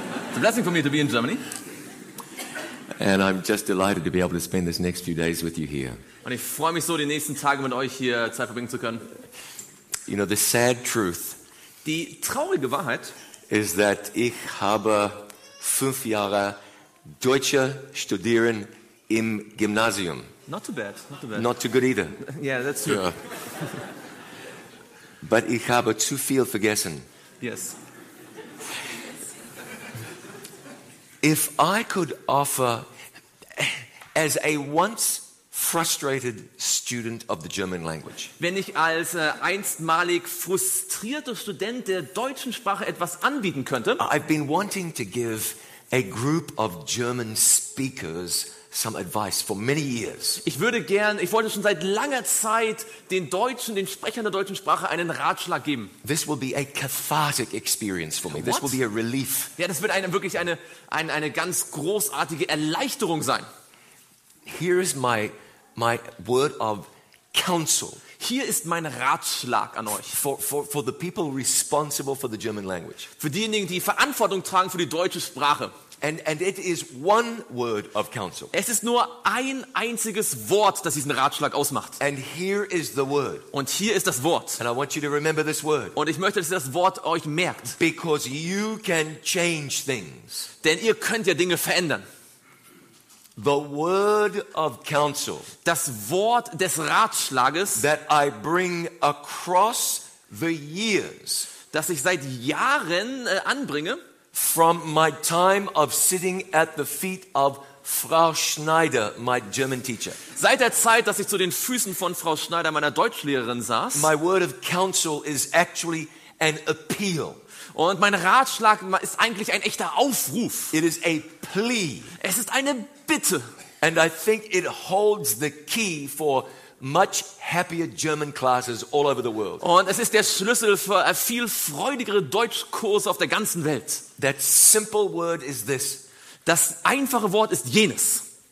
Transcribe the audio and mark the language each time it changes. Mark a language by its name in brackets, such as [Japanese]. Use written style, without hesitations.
[English] It's a blessing for me to be in Germany. And I'm just delighted to be able to spend these next few days with you here. [German] Und ich freue mich so, die nächsten Tage mit euch hier Zeit verbringen zu können. [English] You know, the sad truth. [German] Die traurige Wahrheit ist, dass ich habe 5 Jahre Deutsche studieren im Gymnasium. [English] Not too bad, not too bad. Not too good either. Yeah, that's true. Yeah. But [German] ich habe zu viel vergessen. [English] Yes. If I could offer, as a once frustrated student of the German language. [German] Wenn ich als einstmalig frustrierter Student der deutschen Sprache etwas anbieten könnte. [English] I've been wanting to give a group of German speakers some advice for many years. [German] Ich wollte schon seit langer Zeit den Sprechern der deutschen Sprache einen Ratschlag geben. [English] This will be a cathartic experience for me. What? This will be a relief. [German] Ja, das wird wirklich eine ganz großartige Erleichterung sein. [English] Here is my word of counsel. [German] Hier ist mein Ratschlag an euch. [English] For the people responsible for the German language. [German] Für diejenigen, die Verantwortung tragen für die deutsche Sprache. [English] And it is one word of counsel. [German] Es ist nur ein einziges Wort, das diesen Ratschlag ausmacht. [English] And here is the word. [German] Und hier ist das Wort. [English] And I want you to remember this word. [German] Und ich möchte, dass ihr das Wort euch merkt. [English] Because you can change things. [German] Denn ihr könnt ja Dinge verändern. [English] The word of counsel, [German] das Wort des Ratschlages, [English] that I bring across the years, [German] das ich seit Jahren anbringe, [English] from my time of sitting at the feet of Frau Schneider, my German teacher. [German] Seit der Zeit, dass ich zu den Füßen von Frau Schneider, meiner Deutschlehrerin, saß. [English] My word of counsel is actually an appeal. [German] Und mein Ratschlag ist eigentlich ein echter Aufruf. [English] It is a plea. [German] Es ist eine Bitte. [English] And I think it holds the key for much happier German classes all over the world. [German] Und es ist der Schlüssel für viel freudigere Deutschkurse auf der ganzen Welt. [English] That simple word is this. [German] Das einfache Wort ist jenes.